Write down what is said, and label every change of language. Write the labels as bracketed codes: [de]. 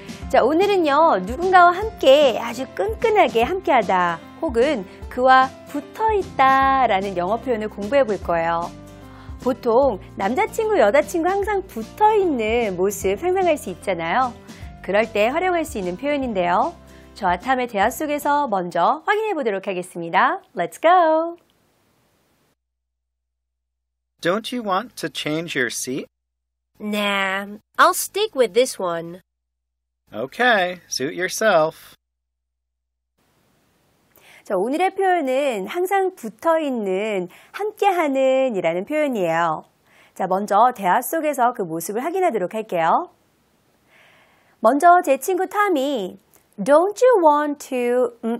[ko] 자, 오늘은요, 누군가와 함께 아주 끈끈하게 함께하다 혹은 그와 붙어있다 라는 영어 표현을 공부해 볼 거예요. 보통 남자친구, 여자친구 항상 붙어있는 모습 상상할 수 있잖아요. 그럴 때 활용할 수 있는 표현인데요. 저와 탐의 대화 속에서 먼저 확인해 보도록 하겠습니다. [en] Let's go! Don't you want to change your seat? Nah, I'll stick with this one. Okay, suit yourself. [ko] 자, 오늘의 표현은 항상 붙어있는, 함께하는 이라는 표현이에요. 자, 먼저 대화 속에서 그 모습을 확인하도록 할게요. 먼저 제 친구 탐이 [en] Don't you want to...